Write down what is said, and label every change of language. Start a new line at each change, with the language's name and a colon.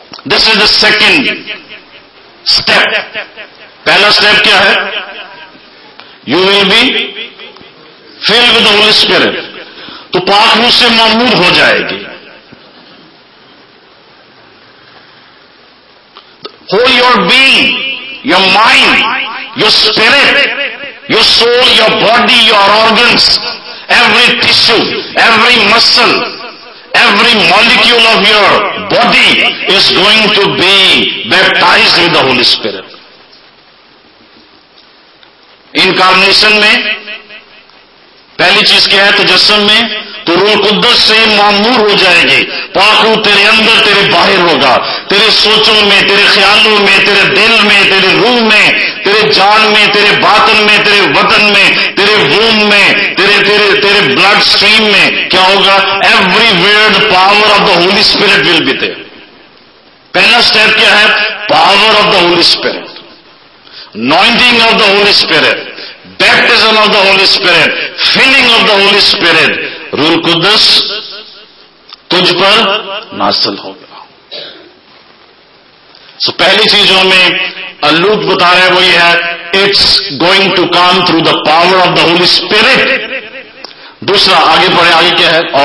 English: This is the second step.
Urdu: پہلا step کیا ہے,
English: you will be filled with the holy spirit,
Urdu: تو پاک روح سے معمور ہو جائے گی.
English: Hold your being, your mind, your spirit, your soul, your body, your organs, every tissue, every muscle, every molecule of your body is going to be baptized with the Holy Spirit.
Urdu: Incarnation میں پہلی چیز کیا ہے, تجسم میں, تو روح القدس سے معمور ہو جائے گی. پاک روح تیرے اندر تیرے باہر ہوگا, تیرے سوچوں میں, تیرے خیالوں میں, تیرے دل میں, تیرے روح میں, تیرے جان میں, تیرے باطن میں, تیرے وطن میں, تیرے ووم میں, تیرے بلڈ سٹریم میں. کیا ہوگا,
English: Everywhere power of the holy spirit will be there.
Urdu: پہلا اسٹیپ کیا ہے,
English: Power of the holy spirit, anointing of the holy spirit, baptism of the holy spirit, filling of the holy spirit.
Urdu: روح القدس تجھ پر نازل ہوگا. سو پہلی چیز جو ہمیں الوک بتا رہا ہے وہ یہ ہے,
English: It's going to come through the power of the holy spirit.
Urdu: دوسرا آگے بڑھے, آگے کیا ہے,